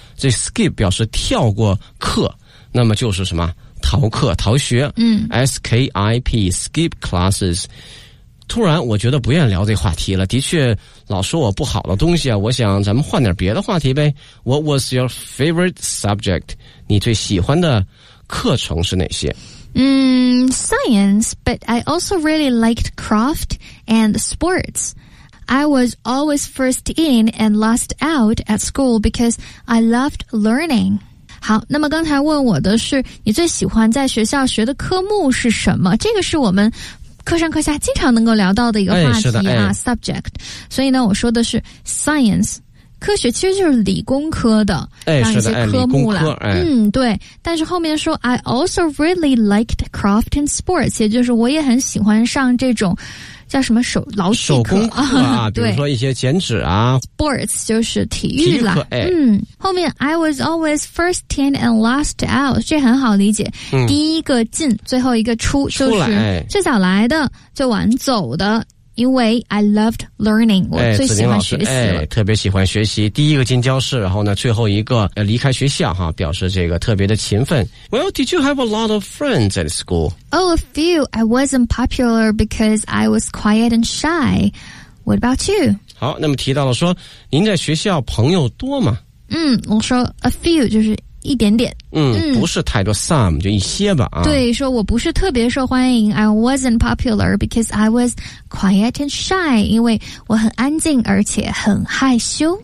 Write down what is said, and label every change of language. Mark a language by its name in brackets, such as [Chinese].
[Chinese] 这 skip 表示跳过课，那么就是什么逃课、逃学。嗯 [English] ，skip skip classes. [Chinese] 突然我觉得不愿意聊这话题了，的确老说我不好的东西啊，我想咱们换点别的话题呗。 [English] What was your favorite subject? [Chinese] 你最喜欢的课程是哪些？ [English] Science, but I also really liked craft and sports. I was always first in and last out at school because I loved learning. [Chinese] 好，那么刚才问我的是你最喜欢在学校学的科目是什么，这个是我们课上课下经常能够聊到的一个话题啊、哎是的哎、 subject， 所以呢，我说的是 science， 科学其实就是理工科的，哎、这样一些科目了、哎哎。嗯，对。但是后面说 [English] I also really liked craft and sports， [Chinese] 也就是我也很喜欢上这种叫什么手劳手工课啊，比如说一些剪纸啊。 sports 就是体育了，哎、嗯。后面 [English] I was always first in and last out， [Chinese] 这很好理解、嗯、第一个进最后一个出，就是最早来的最晚走的，因为 [English] I loved learning、哎、 [Chinese] 我最喜欢学习、哎、特别喜欢学习，第一个进教室，然后呢最后一个离开学校哈，表示这个特别的勤奋。 [English] Well, did you have a lot of friends at school? Oh, a few. I wasn't popular because I was quiet and shy. What about you? [Chinese] 好，那么提到了说您在学校朋友多吗？嗯，我说 a few 就是一点点。嗯，不是太多 some 就一些吧、啊、对，说我不是特别受欢迎 [English] I wasn't popular because I was quiet and shy [Chinese] 因为我很安静而且很害羞